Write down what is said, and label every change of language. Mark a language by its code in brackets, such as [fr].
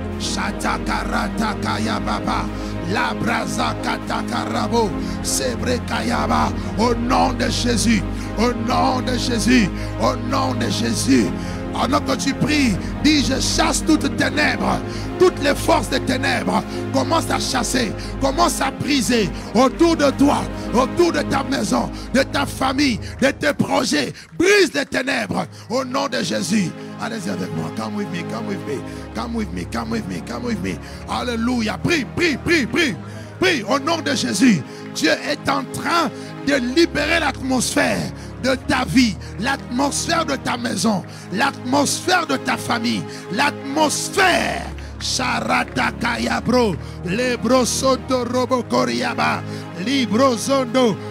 [fr] Shatakaratakaya baba. La brasa katakarabo, sebre kayaba, au nom de Jésus, au nom de Jésus, au nom de Jésus. Pendant que tu pries, dis je chasse toutes ténèbres, toutes les forces des ténèbres. Commence à chasser, commence à briser autour de toi, autour de ta maison, de ta famille, de tes projets. Brise les ténèbres au nom de Jésus. Allez-y avec moi. [en] Come with me, come with me, come with me, come with me, come with me. [fr] Alléluia. Prie, prie, prie, prie, prie au nom de Jésus. Dieu est en train de libérer l'atmosphère de ta vie, l'atmosphère de ta maison, l'atmosphère de ta famille, l'atmosphère. Charata kayabro, lebrosoto robokoriaba, librozondo.